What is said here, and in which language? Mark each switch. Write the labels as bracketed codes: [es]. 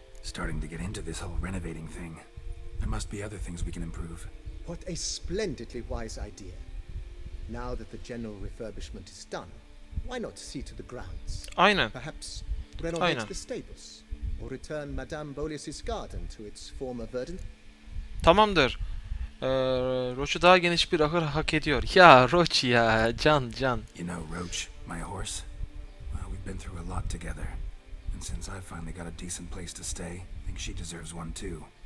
[en] Starting to get into this whole renovating thing. There must be other things we can improve. What a splendidly wise idea. Now that the general refurbishment is done, why not see to the grounds? [tr] Aynen. [en] Perhaps renovate Aynen. the stables or return Madame Bolius's garden to its former verdant. [tr] Tamamdır. Roach daha geniş bir ahır hak ediyor. Ya Roach ya, can. [en] You know Roach, my horse. Well, we've been through a lot together. And since I finally got a decent place to stay, I think she deserves one too.